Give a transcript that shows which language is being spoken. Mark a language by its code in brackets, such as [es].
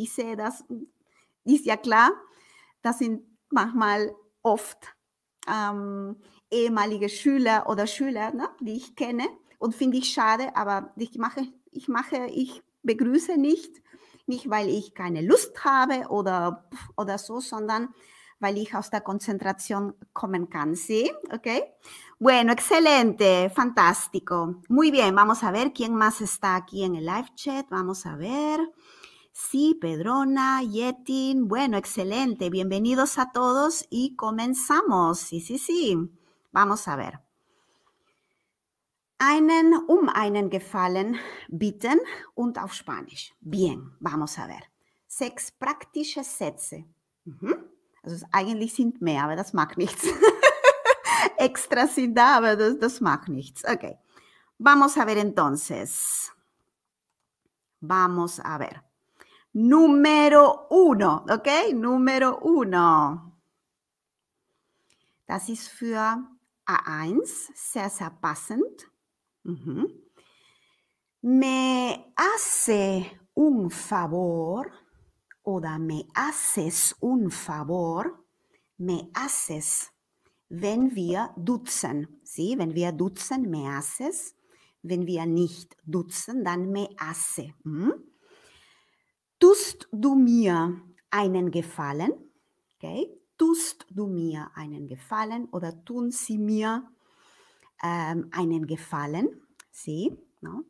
[de] Ich sehe das, ist ja klar, das sind manchmal oft ehemalige Schüler oder Schüler, ne, die ich kenne und finde ich schade, aber ich begrüße nicht, weil ich keine Lust habe oder so, sondern weil ich aus der Konzentration kommen kann. [es] Sí, okay? Bueno, excelente, fantástico. Muy bien, vamos a ver, ¿quién más está aquí en el Live-Chat? Vamos a ver. Sí, Pedrona, Yetin, bueno, excelente, bienvenidos a todos y comenzamos. Sí. Vamos a ver. [de] Um einen Gefallen bitten und auf Spanisch. [es] Bien, vamos a ver. [de] Sechs praktische Sätze. Also eigentlich sind mehr, aber das macht nichts. Extra sind da, aber das macht nichts. [es] Okay. Vamos a ver entonces. Vamos a ver. Número uno, okay? Número uno. [de] Das ist für A1 sehr, sehr passend. [es] ¿Me hace un favor? Oder ¿me haces un favor? ¿Me haces? [de] Wenn wir duzen. Sí, wenn wir duzen, [es] ¿me haces? [de] Wenn wir nicht duzen, dann [es] ¿me hace? [de] Tust du mir einen Gefallen? Okay. Tust du mir einen Gefallen oder tun Sie mir einen Gefallen? Sie, no?